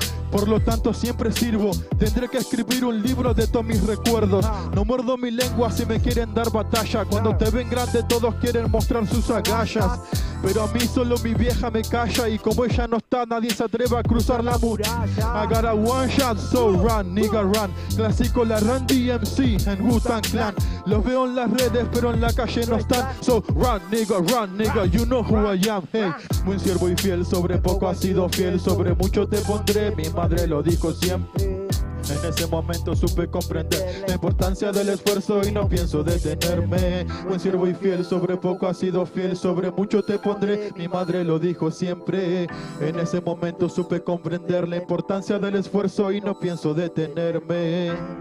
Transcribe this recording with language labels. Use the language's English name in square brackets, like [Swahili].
[Spanish] Por lo tanto siempre sirvo. Tendré que escribir un libro de todos mis recuerdos. No muerdo mi lengua si me quieren dar batalla. Cuando te ven grande todos quieren mostrar sus agallas. Pero a mí solo mi vieja me calla. Y como ella no está nadie se atreve a cruzar la muralla. [English] I got a one shot so run nigga run. [Spanish] Clásico la Run DMC en Wu-Tang Clan. Los veo en las redes pero en la calle no están. [English] So run nigga you know who I am. Hey. [Spanish] Buen siervo y fiel sobre poco has sido fiel. Sobre mucho te pondré. Mi madre lo dijo siempre. En ese momento supe comprender la importancia del esfuerzo y no pienso detenerme. Buen siervo y fiel, sobre poco has sido fiel, sobre mucho te pondré. Mi madre lo dijo siempre. En ese momento supe comprender la importancia del esfuerzo y no pienso detenerme.